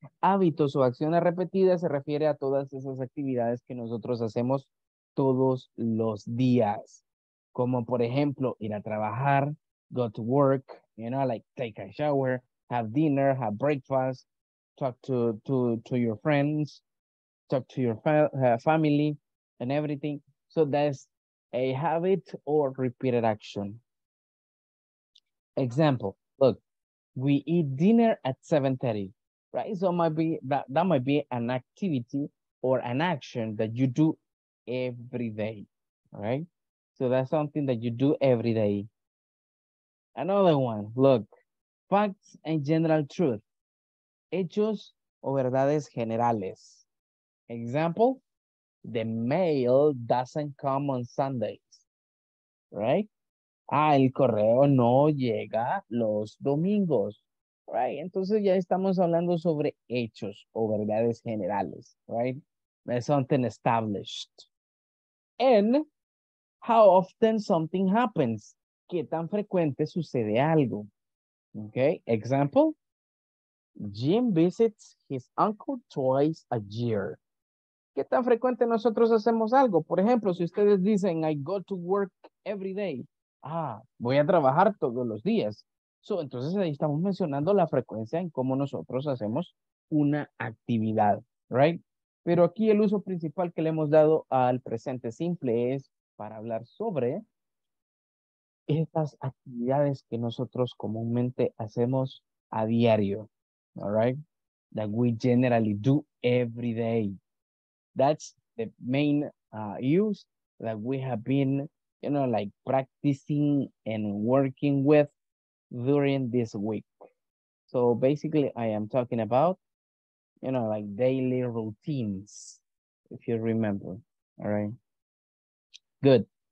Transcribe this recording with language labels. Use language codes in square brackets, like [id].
[es] Hábitos o acciones repetidas se refiere a todas esas actividades que nosotros hacemos todos los días. Como por ejemplo, ir a trabajar, [en] go to work, you know, like take a shower, have dinner, have breakfast, talk to your friends, talk to your family and everything. So that's a habit or repeated action. Example, look, we eat dinner at 7:30, right? So that might be an activity or an action that you do every day, right? So that's something that you do every day. Another one, look, facts and general truth. [es] Hechos o verdades generales. [en] Example, the mail doesn't come on Sundays, right? [es] Ah, el correo no llega los domingos, right? Entonces ya estamos hablando sobre hechos o verdades generales, right? [en] That's something established. And how often something happens. [es] ¿Qué tan frecuente sucede algo? [en] Okay, example, Jim visits his uncle twice a year. [es] ¿Qué tan frecuente nosotros hacemos algo? Por ejemplo, si ustedes dicen, [en] I go to work every day. [es] Ah, voy a trabajar todos los días. So, entonces ahí estamos mencionando la frecuencia en cómo nosotros hacemos una actividad, right? Pero aquí el uso principal que le hemos dado al presente simple es para hablar sobre estas actividades que nosotros comúnmente hacemos a diario, all right? [en] That we generally do every day. That's the main use that we have been, you know, like practicing and working with during this week. So basically, I am talking about, you know, like daily routines, if you remember, all right? Good.